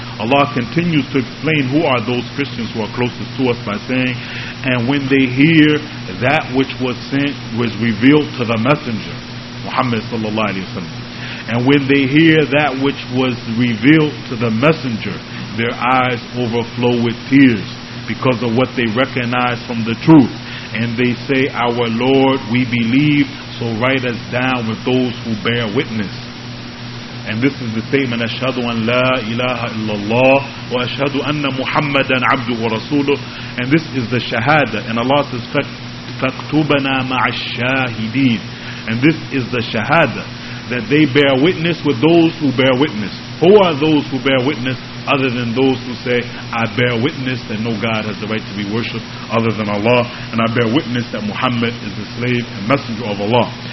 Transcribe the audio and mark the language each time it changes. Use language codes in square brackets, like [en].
[en] Allah continues to explain who are those Christians who are closest to us by saying, and when they hear that which was sent was revealed to the Messenger, Muhammad sallallahu alayhi wa sallam, and when they hear that which was revealed to the Messenger, their eyes overflow with tears because of what they recognize from the truth. And they say, our Lord, we believe, so write us down with those who bear witness. And this is the statement, [ar] أَشْهَدُ أَنْ لَا إِلَٰهَ إِلَّا اللَّهُ وَأَشْهَدُ أَنَّ مُحَمَّدًا عَبْدُهُ وَرَسُولُهُ. [en] And this is the shahada. And Allah says, [ar] فَاكْتُوبَنَا مَعَ الشَّاهِدِينَ. [en] And this is the shahada, that they bear witness with those who bear witness. Who are those who bear witness other than those who say, I bear witness that no God has the right to be worshipped other than Allah, and I bear witness that Muhammad is the slave and messenger of Allah.